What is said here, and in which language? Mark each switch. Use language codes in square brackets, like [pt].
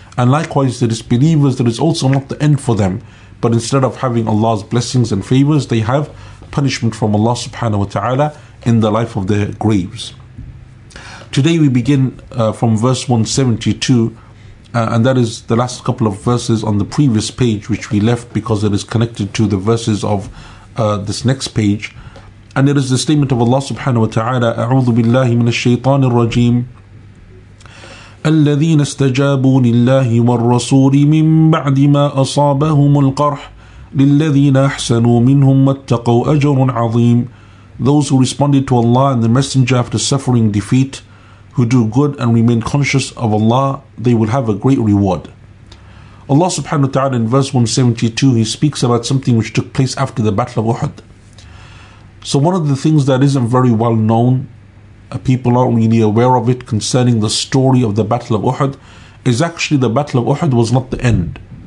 [en] And likewise, the disbelievers, that is also not the end for them, but instead of having Allah's blessings and favors, they have punishment from Allah subhanahu wa ta'ala in the life of their graves. Today we begin from verse 172, and that is the last couple of verses on the previous page, which we left because it is connected to the verses of this next page. And it is the statement of Allah subhanahu wa ta'ala, [ar] أَعُوذُ بِاللَّهِ مِنَ الشَّيْطَانِ الرَّجِيمِ الَّذِينَ اسْتَجَابُوا لِلَّهِ وَالرَّسُولِ مِنْ بَعْدِ مَا أَصَابَهُمُ الْقَرْحِ لِلَّذِينَ أَحْسَنُوا مِنْهُمْ وَاتَّقَوْا أَجَرٌ عَظِيمٌ. [en] Those who responded to Allah and the Messenger after suffering defeat, who do good and remain conscious of Allah, they will have a great reward. Allah subhanahu wa ta'ala in verse 172, He speaks about something which took place after the Battle of Uhud. So one of the things that isn't very well known, people aren't really aware of it concerning the story of the Battle of Uhud, is actually the Battle of Uhud was not the end.